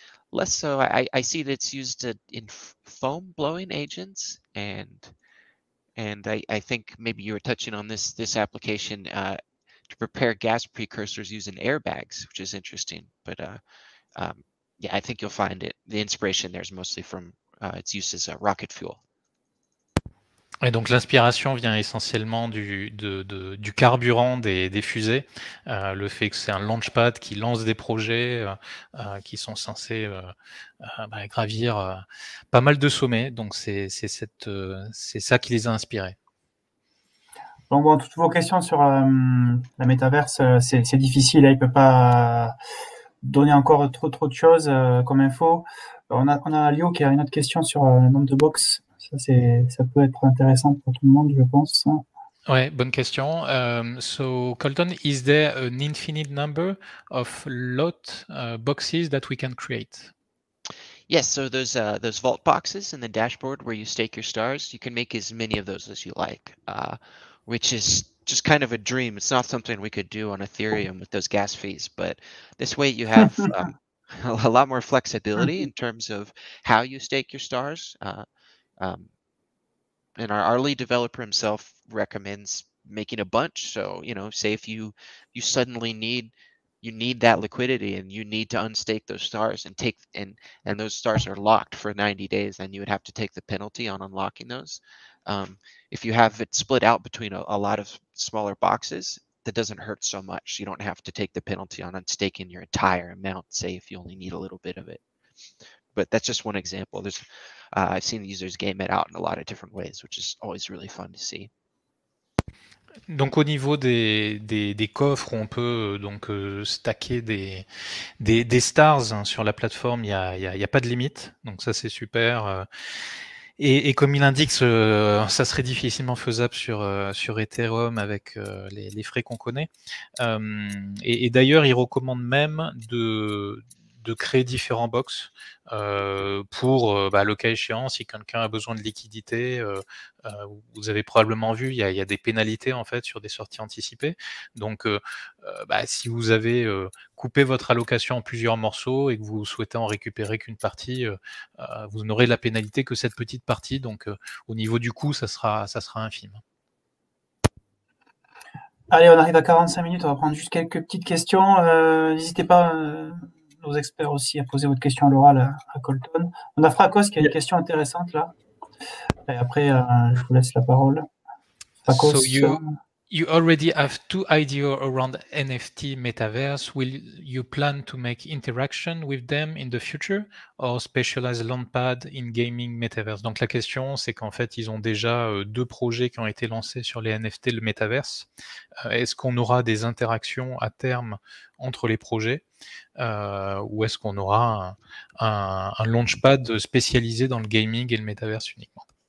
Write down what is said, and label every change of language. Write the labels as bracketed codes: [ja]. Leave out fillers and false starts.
[en] Less so, I see that it's used in foam blowing agents, and I think maybe you were touching on this application to prepare gas precursors using airbags, which is interesting. But yeah, I think you'll find it. The inspiration there is mostly from its use as a rocket fuel. [fr] Et donc l'inspiration vient essentiellement du carburant des fusées, le fait que c'est un launchpad qui lance des projets qui sont censés gravir pas mal de sommets. Donc c'est ça qui les a inspirés. Donc bon, toutes vos questions sur la métaverse, c'est difficile. Hein, il ne peut pas donner encore trop de choses comme info. On a Léo qui a une autre question sur le nombre de box. Ça peut être intéressant pour tout le monde, je pense. Oui, bonne question. [en] So, Colton, is there an infinite number of lot boxes that we can create? Yes, so those vault boxes in the dashboard where you stake your stars, you can make as many of those as you like. Which is just kind of a dream. It's not something we could do on Ethereum with those gas fees, but this way you have a lot more flexibility in terms of how you stake your stars. And our lead developer himself recommends making a bunch. So, say if you suddenly need that liquidity and you need to unstake those stars and take and those stars are locked for 90 days, then you would have to take the penalty on unlocking those. If you have it split out between a lot of smaller boxes, that doesn't hurt so much. You don't have to take the penalty on unstaking your entire amount, say if you only need a little bit of it. But that's just one example. I've seen the users game it out in a lot of different ways, which is always really fun to see. [fr] Donc au niveau des coffres, on peut donc stacker des stars hein, sur la plateforme, il y a pas de limite, donc ça c'est super. Et comme il indique, ça serait difficilement faisable sur Ethereum avec les frais qu'on connaît. Et d'ailleurs, il recommande même de créer différents box pour bah, le cas échéant, si quelqu'un a besoin de liquidité, vous avez probablement vu, il y a des pénalités en fait sur des sorties anticipées. Donc, bah, si vous avez coupé votre allocation en plusieurs morceaux et que vous souhaitez en récupérer qu'une partie, vous n'aurez la pénalité que cette petite partie. Donc, au niveau du coût, ça sera infime. Allez, on arrive à 45 minutes, on va prendre juste quelques petites questions. N'hésitez pas, nos experts aussi, à poser votre question à l'oral à Colton. On a Fracos qui a une question intéressante là. Et après, je vous laisse la parole. [en] So you already have two ideas around NFT metaverse. Will you plan to make interaction with them in the future or specialize Launchpad in gaming metaverse? [fr] Donc la question, c'est qu'en fait, ils ont déjà deux projets qui ont été lancés sur les NFT et le metaverse. Est-ce qu'on aura des interactions à terme entre les projets ou est-ce qu'on aura un Launchpad spécialisé dans le gaming et le metaverse uniquement?